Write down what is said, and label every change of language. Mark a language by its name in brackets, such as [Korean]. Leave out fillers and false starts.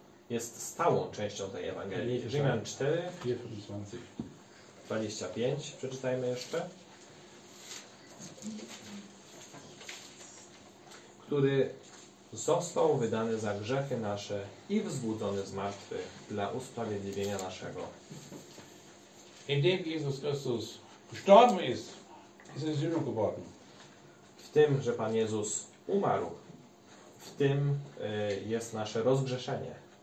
[Polish] jest stałą częścią tej Ewangelii. Rzymian 4:25. Przeczytajmy jeszcze. Który został wydany za grzechy nasze i wzbudzony z martwych dla usprawiedliwienia naszego. [German] Indem Jesus Christus gestorben ist, ist eine Sühnung geworden. [Polish] W tym, że Pan Jezus umarł, w tym jest nasze rozgrzeszenie.